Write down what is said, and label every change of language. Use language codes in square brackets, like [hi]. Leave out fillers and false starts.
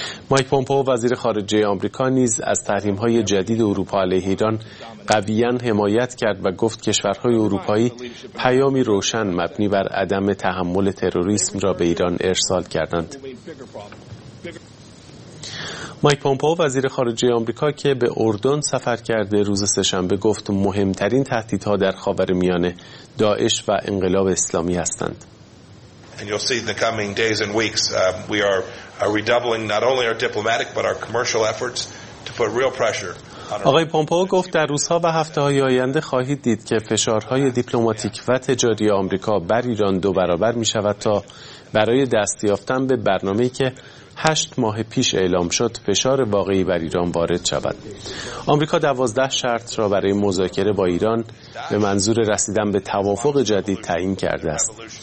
[fa] مایک پومپئو وزیر خارجه آمریکا نیز از تحریم‌های جدید اروپا علیه ایران قویاً حمایت کرد و گفت کشورهای اروپایی پیامی روشن مبنی بر عدم تحمل تروریسم را به ایران ارسال کردند. مایک پومپئو وزیر خارجه آمریکا که به اردن سفر کرده روز سه‌شنبه گفت مهمترین تهدیدها در خاورمیانه داعش و انقلاب اسلامی هستند. [en] And you'll see in the coming days and weeks we are redoubling not only our diplomatic but our commercial efforts to put real pressure. [fa] آقای پومپئو گفت در روزها و هفته‌های آینده خواهید دید که فشارهای دیپلماتیک و تجاری آمریکا بر ایران دو برابر می‌شود تا برای دستیافتن به برنامه‌ای که 8 ماه پیش اعلام شد فشار واقعی بر ایران وارد شود. آمریکا 12 شرط را برای مذاکره با ایران به منظور رسیدن به توافق جدید تعیین کرده است.